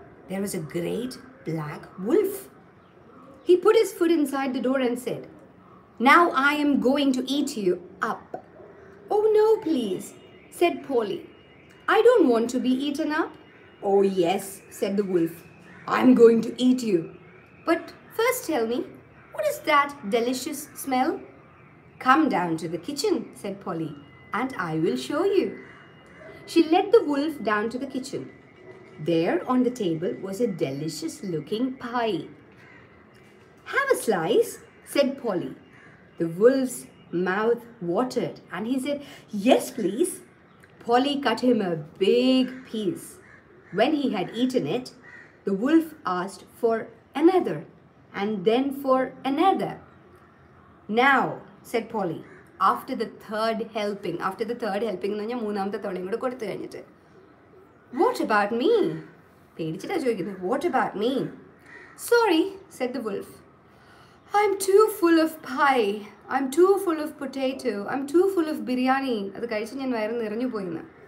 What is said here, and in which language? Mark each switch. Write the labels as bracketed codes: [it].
[en] There was a great black wolf. He put his food inside the door and said, now I am going to eat you up. Oh no please, said Polly, I don't want to be eaten up. Oh yes, said the wolf, I am going to eat you, but first tell me, what is that delicious smell? Come down to the kitchen, said Polly, and I will show you. She led the wolf down to the kitchen. There on the table was a delicious looking pie. Have a slice, said Polly. The wolf's mouth watered and he said, yes please. Polly cut him a big piece. When he had eaten it, the wolf asked for another and then for another. Now, said Polly, after the third helping, [ml] എന്ന് പറഞ്ഞാൽ മൂന്നാമത്തെ തവളയും കൂടെ കൊടുത്തു കഴിഞ്ഞിട്ട്, [en] what about me, [ml] പേടിച്ചിട്ടാണ് ചോദിക്കുന്നത്, [en] What about me? Sorry, said the wolf, I am too full of pie, I am too full of potato, I am too full of biryani, [ml] അത് കഴിച്ച് ഞാൻ വയറ് നിറഞ്ഞു പോയിരുന്നു.